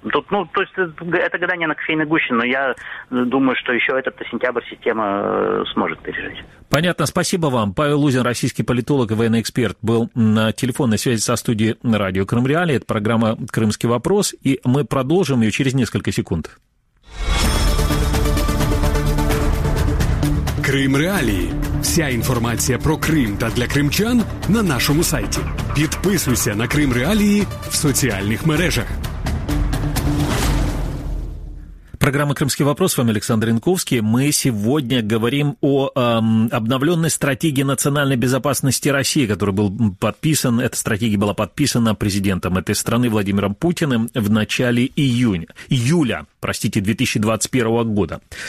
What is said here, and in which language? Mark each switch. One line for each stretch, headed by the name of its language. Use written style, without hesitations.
Russian: Тут, ну, то есть это гадание на кофейной гуще, но я думаю, что еще этот сентябрь система сможет пережить. Понятно. Спасибо вам. Павел Лузин, российский политолог и военный эксперт, был на телефонной связи со студией радио «Крым Реалии». Это программа «Крымский вопрос». И мы продолжим ее через несколько секунд.
Ukrainian: Крым Реалії. Вся інформація про Крим та для кримчан на нашому сайті. Підписуйся на Крим Реалії в соціальних мережах.
Russian: Программа «Крымский вопрос», с вами Александр Янковский. Мы сегодня говорим о обновленной стратегии национальной безопасности России, которая была подписана, эта стратегия была подписана президентом этой страны Владимиром Путиным в начале июля 2021 года.